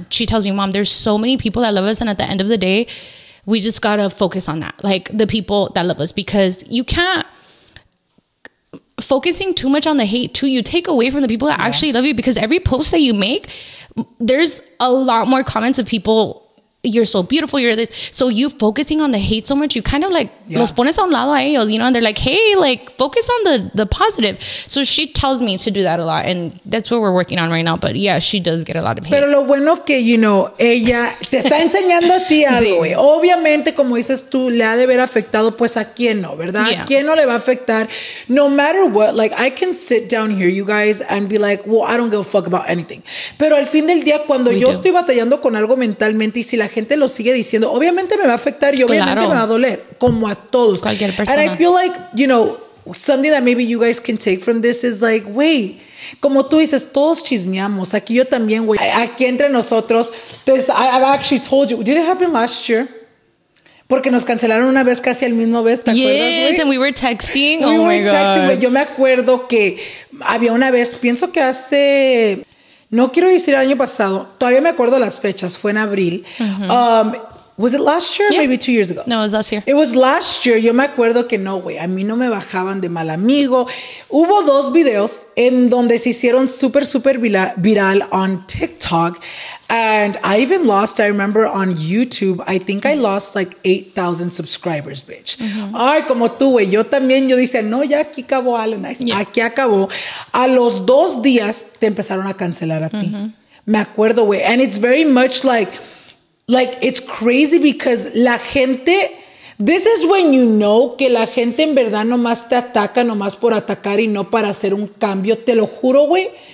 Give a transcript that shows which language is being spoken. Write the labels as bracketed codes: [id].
[en] She tells me, mom, there's so many people that love us, and at the end of the day, we just gotta focus on that, like the people that love us, because you can't focusing too much on the hate too, you take away from the people that actually love you, because every post that you make, there's a lot more comments of people, you're so beautiful, you're this, so you focusing on the hate so much, you kind of like [es] los pones a un lado a ellos, [en] you know, and they're like, hey, like focus on the positive. So she tells me to do that a lot, and that's what we're working on right now. But yeah, she does get a lot of hate. [es] Pero lo bueno que, you know, ella te está enseñando a ti algo. Sí. Obviamente, como dices tú, le ha de haber afectado, pues a quién no, ¿verdad? Yeah. ¿A quién no le va a afectar? [en] No matter what, like I can sit down here, you guys, and be like, well, I don't give a fuck about anything. [es] Pero al fin del día, cuando estoy batallando con algo mentalmente, y si la gente lo sigue diciendo, obviamente me va a afectar y obviamente me va a doler, como a todos. Cualquier persona. [en] And I feel like, you know, something that maybe you guys can take from this is like, wait, [es] como tú dices, todos chismeamos. Aquí yo también, güey. Aquí entre nosotros, [en] this, I've actually told you, did it happen last year? [es] Porque nos cancelaron una vez casi al mismo vez, ¿te acuerdas? [en] Yes, and we were texting. We were texting, [es] güey. Yo me acuerdo que había una vez, pienso que hace... No quiero decir el año pasado. Todavía me acuerdo las fechas. Fue en abril. Mm-hmm. [en] Was it last year? Yeah. Maybe 2 years ago. No, it was last year. It was last year. [es] Yo me acuerdo que no, güey. A mí no me bajaban de mal amigo. Hubo dos videos en donde se hicieron súper, súper viral [en] on TikTok. And I even lost, I remember, on YouTube. I think I lost like 8,000 subscribers, bitch. Mm-hmm. [es] Ay, como tú, güey. Yo también, yo dice, no, ya aquí acabó, Alan. Aquí acabó. A los dos días te empezaron a cancelar a ti. Me acuerdo, güey. [en] And it's very much like, it's crazy because [es] la gente, [en] this is when you know [es] que la gente en verdad nomás te ataca, nomás por atacar y no para hacer un cambio. Te lo juro, güey.